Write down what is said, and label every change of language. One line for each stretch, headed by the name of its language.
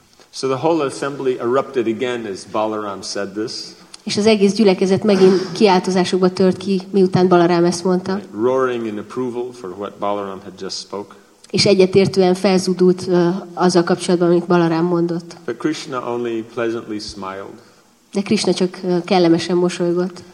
English: So the whole assembly erupted again as Balaram said this.
Hungarian: És az egész gyülekezet megint kiáltozásokba tört ki, miután Balaram ezt mondta.
English: Roaring in approval for what Balaram had just spoke.
Hungarian: És egyetértően felzúdult azzal kapcsolatban, amit Balaram mondott.
English: But Krishna only pleasantly smiled.
Hungarian: De Krishna csak kellemesen mosolygott.